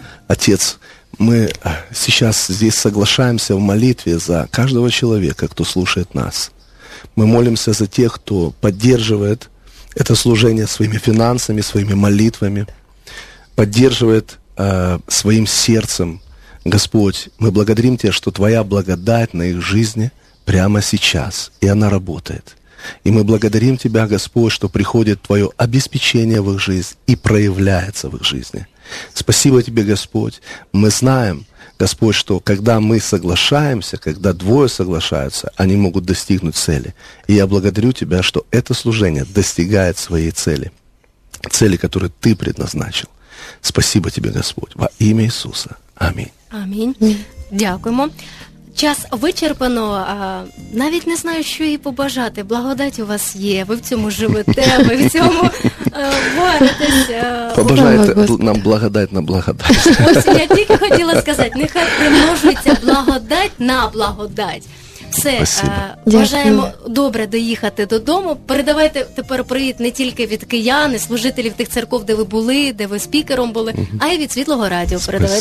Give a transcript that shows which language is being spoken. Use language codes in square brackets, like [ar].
[uk] Отец, ми зараз тут соглашаємося в молитві за кожного чоловіка, хто слухає нас. Ми молимося за тих, хто підтримує це служення своїми фінансами, своїми молитвами, підтримує своїм серцем. Господь, ми благодаримо Тебе, що Твоя благодать на їх житті [ru] прямо сейчас, и она работает. И мы благодарим Тебя, Господь, что приходит Твое обеспечение в их жизнь и проявляется в их жизни. Спасибо Тебе, Господь. Мы знаем, Господь, что когда мы соглашаемся, когда двое соглашаются, они могут достигнуть цели. И я благодарю Тебя, что это служение достигает своей цели, цели, которую Ты предназначил. Спасибо Тебе, Господь. Во имя Иисуса. Аминь. Аминь. [uk] Дякуємо. Час вичерпано, навіть не знаю, що їй побажати. Благодать у вас є, ви в цьому живете, ви в цьому боретеся. Побажайте нам благодать на благодать. Ось я тільки хотіла сказати, нехай примножується благодать на благодать. Все, бажаємо добре доїхати додому. Передавайте тепер привіт не тільки від киян, служителів тих церков, де ви були, де ви спікером були, а й від Світлого Радіо. Передавайте